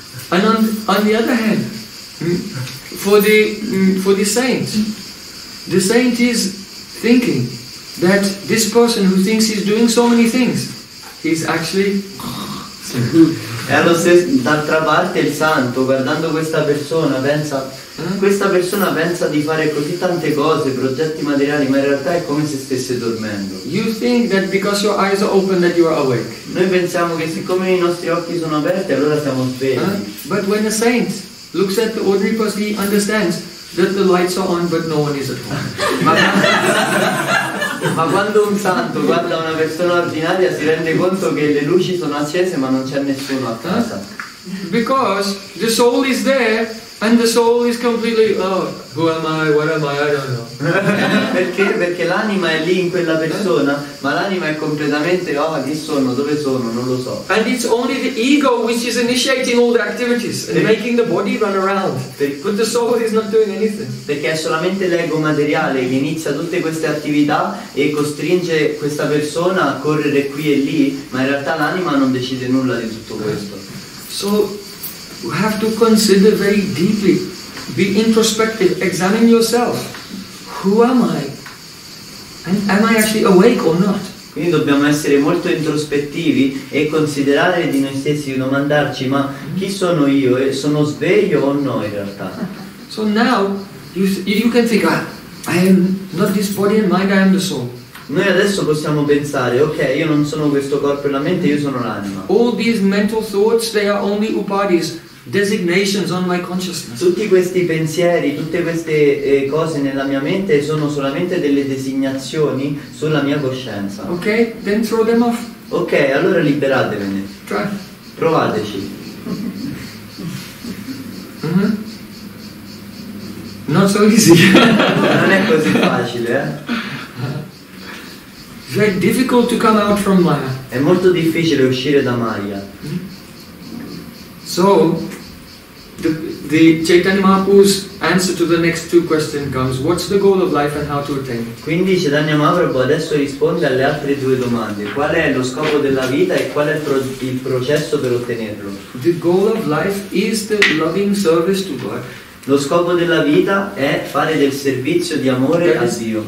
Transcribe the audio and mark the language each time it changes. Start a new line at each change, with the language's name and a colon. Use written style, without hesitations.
English: And on the other hand, for the saint, the saint is thinking that this person who thinks he's doing so many things, he's actually
Italian: E allo stesso, d'altra parte il santo guardando questa persona pensa, questa persona pensa di fare così tante cose, progetti materiali, ma in realtà è come se stesse dormendo.
English: You think that because your eyes are open that you are awake.
Italian: Noi pensiamo che siccome i nostri occhi sono aperti allora siamo svegli.
English: But when a saint looks at the ordinary person, he understands that the lights are on but no one is at home.
Italian: Ma quando un santo guarda una persona ordinaria si rende conto che le luci sono accese ma non c'è nessuno a casa.
English: Because the soul is there and the soul is completely, oh, who am I, what am I don't know.
Italian: Perché? Perché l'anima è lì in quella persona, ma l'anima è completamente, oh, chi sono, dove sono, non lo so.
English: And it's only the ego which is initiating all the activities and making the body run around. But the soul is not doing anything.
Italian: Perché è solamente l'ego materiale che inizia tutte queste attività e costringe questa persona a correre qui e lì, ma in realtà l'anima non decide nulla di tutto questo.
English: So you have to consider very deeply, be introspective, examine yourself. Who am I? And am I actually awake or not?
Italian: Quindi dobbiamo essere molto introspettivi e considerare di noi stessi, domandarci, ma chi sono io? E sono sveglio o no in realtà?
English: So now you can think, ah, I am not this body and mind, I am the soul.
Italian: Noi adesso possiamo pensare, ok, io non sono questo corpo e la mente, io sono l'anima.
English: All these mental thoughts, they are only upadis. designations on my consciousness.
Italian: Tutti questi pensieri, tutte queste cose nella mia mente sono solamente delle designazioni sulla mia coscienza.
English: Okay, then throw them off.
Italian: Ok, allora liberatevene.
English: Try.
Italian: Provateci.
English: Mm-hmm. Not so easy.
Italian: Non è così facile, eh?
English: It's very difficult to come out from Maya.
Italian: È molto difficile uscire da Maya.
English: So, the Chaitanya Mahaprabhu's answer to the next two questions comes: what's the goal of life and how to attain it?
Italian: Quindi Chaitanya Mahaprabhu adesso risponde alle altre due domande: qual è lo scopo della vita e qual è il processo per ottenerlo?
English: The goal of life is the loving service to God.
Italian: Lo scopo della vita è fare del servizio di amore a Dio.